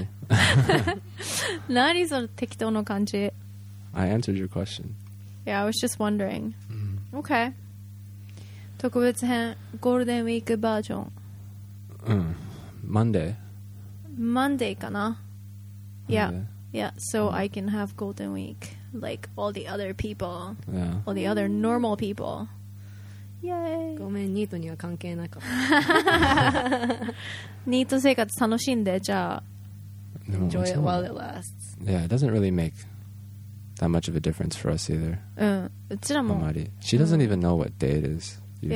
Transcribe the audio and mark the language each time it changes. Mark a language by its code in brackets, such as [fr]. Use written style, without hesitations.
[ja] 何?何? 何その適当な感じ? [en] I answered your question. Yeah, I was just wondering. Okay. [ja] 特別編、ゴールデンウィークバージョン。 [en] Monday? Monday かな?Yeah. Yeah, so I can have golden week like all the other people. Yeah. All the other normal people. Yay! [ja] ごめん、ニートには関係なかった。ニート生活楽しんで、じゃあ [en] Enjoy it while it lasts. Yeah, it doesn't really make that much of a difference for us either. [ja] うちらも。 [en] She doesn't even know what day it is, usually.